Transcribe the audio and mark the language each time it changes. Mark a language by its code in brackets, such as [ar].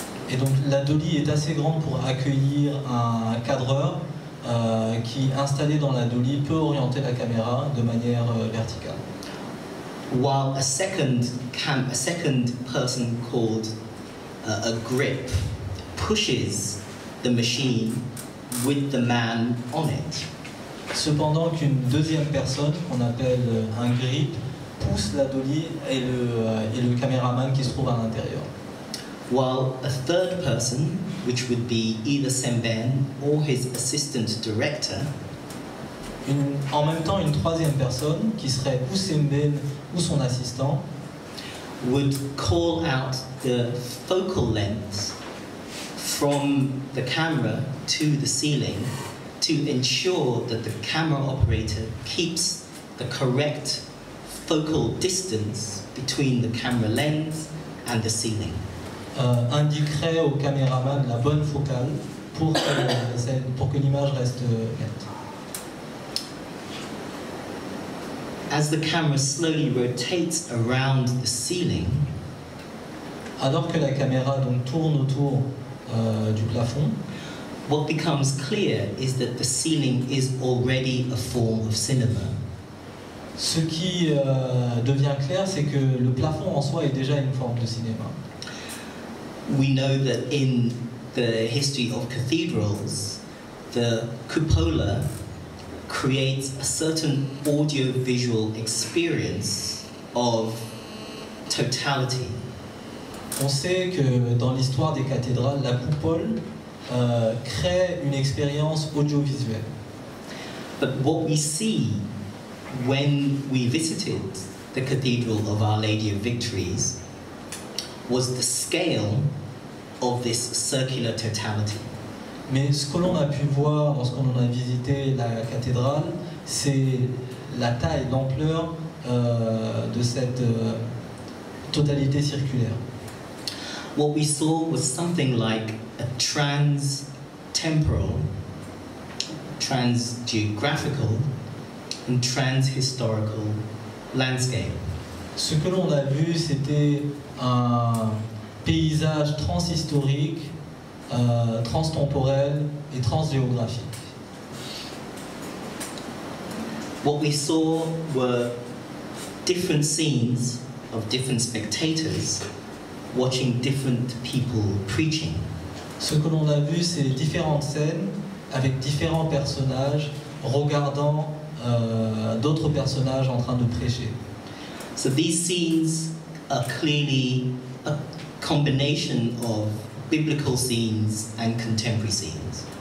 [fr] Et donc la dolly est assez grande pour accueillir un cadreur. Qui installé dans la dolly peut orienter la caméra de manière verticale. [en] While a second person called a grip pushes the machine with the man on it. [fr] Cependant qu'une deuxième personne qu'on appelle un grip pousse la dolly et le caméraman qui se trouve à l'intérieur. [en] While a third person, which would be either Semben or his assistant director. [fr] En même temps, une troisième personne, qui serait ou Semben ou son assistant, [en] would call out the focal length from the camera to the ceiling to ensure that the camera operator keeps the correct focal distance between the camera lens and the ceiling. [fr] Indiquerait au caméraman la bonne focale pour que l'image reste nette. [en] As the camera slowly rotates around the ceiling, [fr] alors que la caméra donc tourne autour du plafond, [en] what becomes clear is that the ceiling is already a form of cinema. [fr] Ce qui devient clair, c'est que le plafond en soi est déjà une forme de cinéma. [en] We know that in the history of cathedrals, the cupola creates a certain audiovisual experience of totality. [fr] On sait que dans l'histoire des cathédrales, la coupole crée une expérience audiovisuelle. [en] But what we see when we visited the Cathedral of Our Lady of Victories, was the scale of this circular totality. [fr] Mais ce que l'on a pu voir lorsqu'on en a visité la cathédrale, c'est la taille, l'ampleur de cette totalité circulaire. [en] What we saw was something like a trans-temporal, trans-geographical, and trans-historical landscape. [fr] Ce que l'on a vu, c'était un paysage transhistorique, transtemporel et transgéographique. [en] What we saw were different scenes of different spectators watching different people preaching. [fr] Ce que l'on a vu, c'est différentes scènes avec différents personnages regardant d'autres personnages en train de prêcher. [en] So these scenes are clearly a combination of biblical scenes and contemporary scenes.